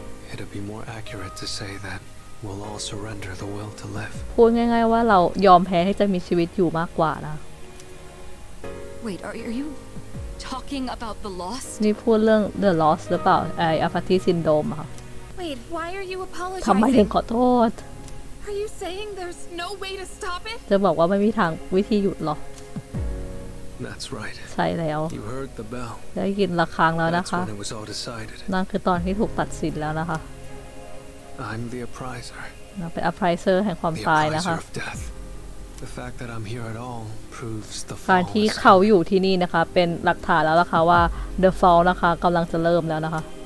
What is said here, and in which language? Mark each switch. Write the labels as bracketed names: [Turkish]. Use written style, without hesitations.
[English] It'd be more accurate to say that we'll all surrender the will to live. [Thai] พูดง่ายๆว่าเรายอมแพ้ให้จะมีชีวิตอยู่มากกว่านะ [English] Wait, are you talking about the loss? [Thai] นี่พูดเรื่อง the loss หรือเปล่าไอ้ apathy syndrome อ่ะ [English] Wait, why are you apologizing? [Thai] ทำไมถึงขอโทษ [English] Are you saying there's no way to stop it? [Thai] จะบอกว่าไม่มีทางวิธีหยุดหรอ [English] That's right. [Thai] ใช่แล้ว [English] You heard the bell. [Thai] ได้ยินระฆังแล้วนะคะ [English] That's when it was all decided. [Thai] นั่นคือตอนที่ถูกตัดสินแล้วนะคะ [English] I'm the appraiser. [Thai] เป็น appraiser แห่งความตายนะคะ [English] The fact that I'm here at all proves the fall. [Thai] การที่เขาอยู่ที่นี่นะคะเป็นหลักฐานแล้วนะคะว่า the fall นะคะกำลังจะเริ่มแล้วนะคะ